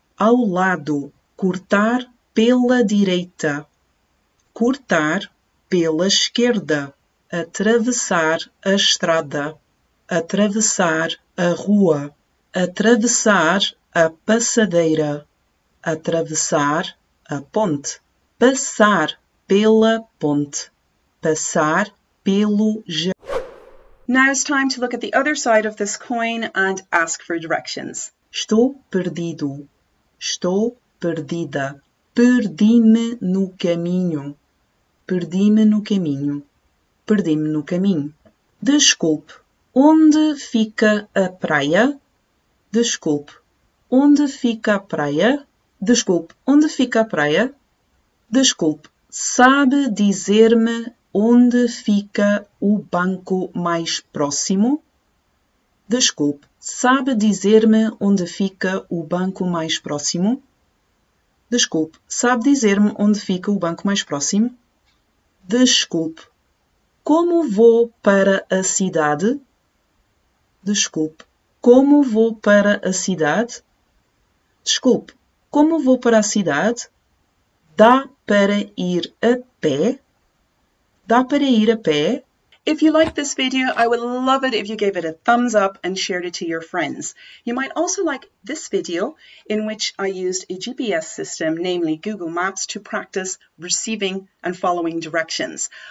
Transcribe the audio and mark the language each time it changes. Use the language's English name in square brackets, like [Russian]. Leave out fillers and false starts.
[Portuguese] Ao lado, cortar pela direita, cortar pela esquerda, atravessar a estrada, atravessar a rua, atravessar a passadeira, atravessar a ponte, passar pela ponte, passar pelo jardim. [English] Now it's time to look at the other side of this coin and ask for directions. [Portuguese] Estou perdido. Estou perdida. Perdi-me no caminho. Perdi-me no caminho. Perdi-me no caminho. Desculpe. Onde fica a praia? Desculpe. Onde fica a praia? Desculpe. Onde fica a praia? Desculpe. Sabe dizer-me onde fica o banco mais próximo? Desculpe. Sabe dizer-me onde fica o banco mais próximo? Desculpe. Sabe dizer-me onde fica o banco mais próximo? Desculpe. Como vou para a cidade? Desculpe. Como vou para a cidade? Desculpe. Como vou para a cidade? Dá Para ir a pé? Dá para ir a pé? [English] If you liked this video, I would love it if you gave it a thumbs up and shared it to your friends. You might also like this video, in which I used a GPS system, namely Google Maps, to practice receiving and following directions.